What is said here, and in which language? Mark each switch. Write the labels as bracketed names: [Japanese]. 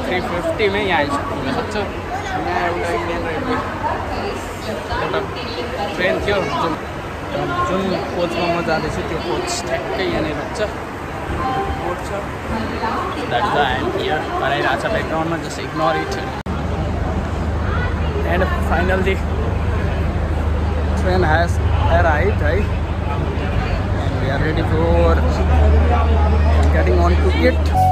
[Nepali] 3:50 यहाँ आइसक्नु सक्छ. यहाँ एउटा इन्डियन रेलवे एउटा ट्रेन थियो जुन कोचमा म जाँदैछु त्यो कोच ठ्याक्कै यहाँनिर छ. कोच छ [English] that here [Nepali] गराइरहेको छ ब्याकग्राउन्डमा [English] Just ignore it. And finally train has arrived है. We are ready for getting on to it.